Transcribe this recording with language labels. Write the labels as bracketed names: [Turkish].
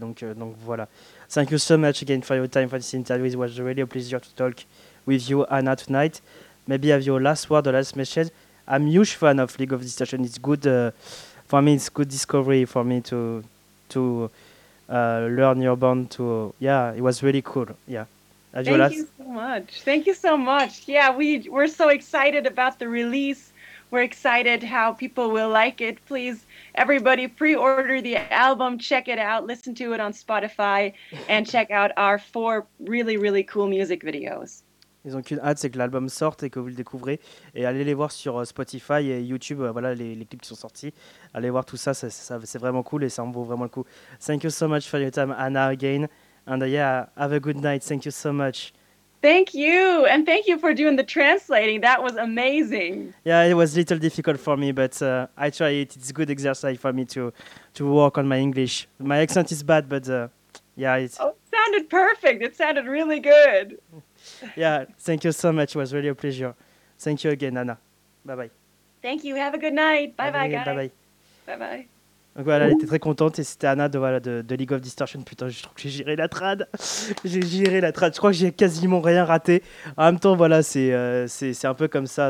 [French] Donc voilà. [English] Thank you so much again for your time for this interview. It was really a pleasure to talk with you, Anna, tonight. Maybe have your last word or last message. I'm a huge fan of League of Distortion. It's good. For me, it's good discovery for me to learn your band. It was really cool. Yeah. Thank you so much. Yeah, we're so excited about the release. We're excited how people will like it. Please, everybody, pre-order the album, check it out, listen to it on Spotify, and check out our four really, really cool music videos. [French] Ils ont qu'une hâte, c'est que l'album sorte et que vous le découvrez. Et allez les voir sur Spotify et YouTube, voilà les clips qui sont sortis. Allez voir tout ça, c'est vraiment cool et ça en vaut vraiment le coup. [English] Thank you so much for your time, Anna, again. And yeah, have a good night. Thank you so much. Thank you. And thank you for doing the translating. That was amazing. Yeah, it was a little difficult for me, but I try it. It's a good exercise for me to work on my English. My accent is bad, but it sounded perfect. It sounded really good. Yeah, thank you so much. It was really a pleasure. Thank you again, Anna. Bye-bye. Thank you. Have a good night. Bye-bye, guys. Bye-bye. Bye-bye. [French] Donc voilà, elle était très contente et c'était Anna de League of Distortion. Putain, je trouve que j'ai géré la trad. Je crois que j'ai quasiment rien raté. En même temps, voilà, c'est un peu comme ça.